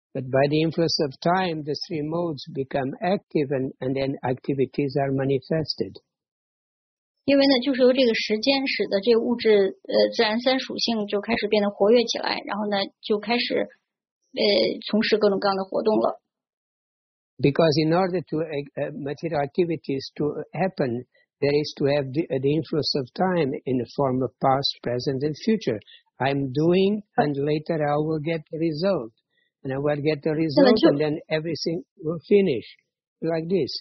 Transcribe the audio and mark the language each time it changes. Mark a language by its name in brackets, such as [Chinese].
[English] by the influence of time, the three modes become active, and then activities are manifested. [Chinese] 因为呢，就是由这个时间使得这个物质自然三属性就开始变得活跃起来，然后呢，就开始从事各种各样的活动了。 [English] Because in order to material activities to happen, there is to have the influence of time in the form of past, present, and future. I'm doing, and later I will get the result, and I will get the result, and then everything will finish like this.